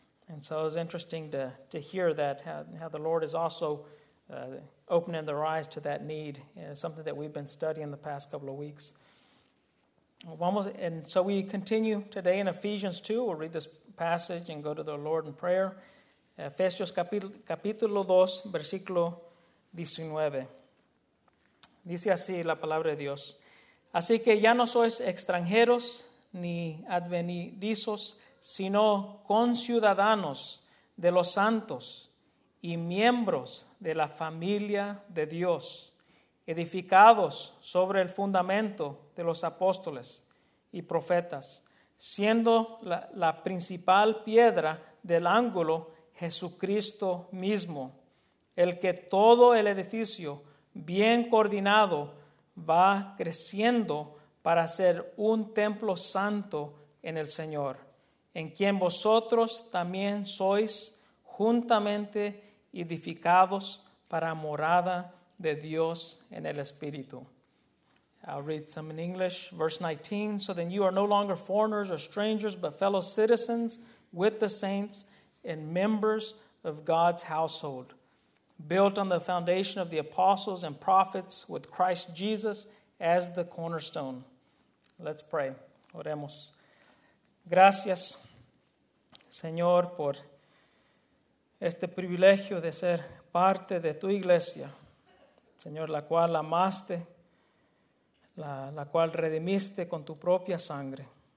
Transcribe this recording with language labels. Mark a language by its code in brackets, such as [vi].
[en] And so it was interesting to hear that, how the Lord is also opening their eyes to that need, something that we've been studying the past couple of weeks. And so we continue today in Ephesians 2. We'll read this passage and go to the Lord in prayer. [es] Efesios capítulo 2, versículo 19. Dice así la palabra de Dios. Así que ya no sois extranjeros ni advenedizos, sino conciudadanos de los santos y miembros de la familia de Dios, edificados sobre el fundamento de los apóstoles y profetas, siendo la principal piedra del ángulo Jesucristo mismo, el que todo el edificio bien coordinado va creciendo para ser un templo santo en el Señor, en quien vosotros también sois juntamente edificados para morada de Dios en el Espíritu. [en] I'll read some in English. Verse 19, so then you are no longer foreigners or strangers, but fellow citizens with the saints and members of God's household, built on the foundation of the apostles and prophets, with Christ Jesus as the cornerstone. Let's pray. [es] Oremos. Gracias, Señor, por este privilegio de ser parte de tu iglesia, Señor, la cual amaste, la cual redimiste con tu propia sangre.